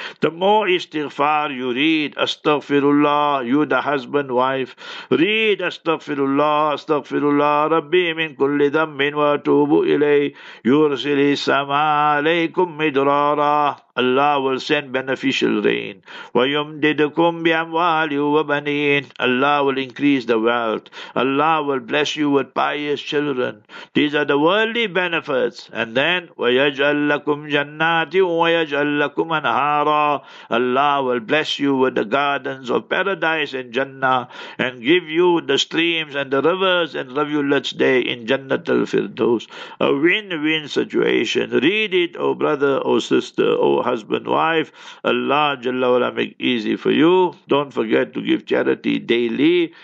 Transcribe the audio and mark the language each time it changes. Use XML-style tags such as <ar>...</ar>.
<en>The more istighfar you read, astaghfirullah, you the husband, wife, read astaghfirullah, astaghfirullah, Rabbi min kulli dhammin wa atubu ilay, yursili sama alaykum midrara. Allah will send beneficial rain.</en> <ar>وَيُمْدِدُكُمْ بِأَمْوَالِهُ وَبَنِينَ.</ar> <en>Allah will increase the wealth. Allah will bless you with pious children. These are the worldly benefits. And then,</en> <ar>وَيَجْعَلْ لَكُمْ جَنَّاتٍ وَيَجْعَلْ لَكُمْ أَنْهَارًا.</ar> <en>Allah will bless you with the gardens of paradise in Jannah and give you the streams and the rivers and rivulets there in Jannat al-Firdaus. A win-win situation. Read it, O brother, O sister, O husband, wife. Allah Jalla Wala make easy for you. Don't forget to give charity daily.</en>